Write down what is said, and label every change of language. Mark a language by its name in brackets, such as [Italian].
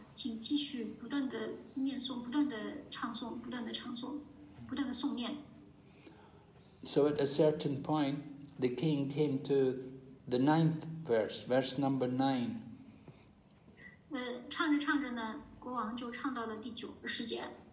[Chinese] 请继续不断的念诵，不断的唱诵，不断的唱诵，不断的诵念。 [English] So at a certain point, the king came to the ninth verse, verse number nine. [Chinese] 唱着唱着呢，国王就唱到了第九十节。